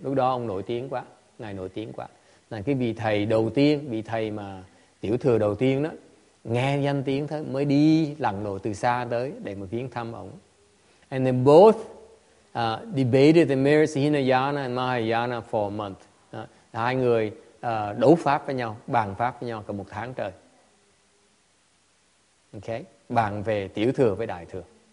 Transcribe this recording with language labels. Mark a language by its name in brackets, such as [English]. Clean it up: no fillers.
[Vietnamese] Lúc đó ông nổi tiếng quá, ngài nổi tiếng quá. Là cái vị thầy đầu tiên, vị thầy mà tiểu thừa đầu tiên đó, nghe danh tiếng thôi mới đi lặn lội từ xa tới để mà viếng thăm ông. [English] And then both debated the merits of Hinayana and Mahayana for a month. [Vietnamese] Hai người đấu pháp với nhau, bàn pháp với nhau cả một tháng trời. Okay, bàn về tiểu thừa với đại thừa.